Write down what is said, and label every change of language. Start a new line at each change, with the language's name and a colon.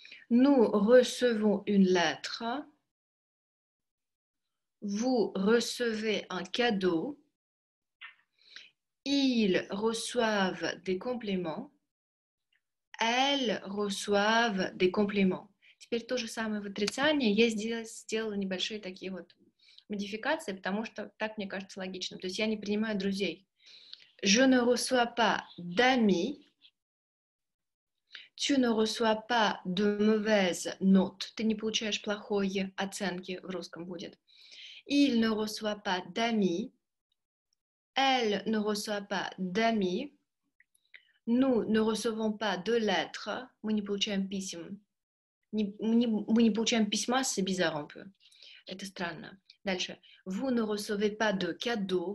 French: Nous recevons une lettre. Vous recevez un cadeau. Ils reçoivent des compliments. Elles reçoivent des compliments.
Russian: Теперь то же самое в отрицании. Я сделала небольшие такие вот модификации, потому что так мне кажется логичным. То есть я не принимаю друзей.
French: Je ne reçois pas d'amis. Tu ne reçois pas de mauvaises notes.
Russian: Ты не получаешь плохой оценки в русском будет.
French: Il ne reçoit pas d'amis. Elle ne reçoit pas d'amis. Nous ne recevons pas de lettres.
Russian: Мы не получаем писем. Мы не получаем письма,
French: c'est bizarre un peu.
Russian: Это странно. Дальше.
French: Vous ne recevez pas de cadeaux.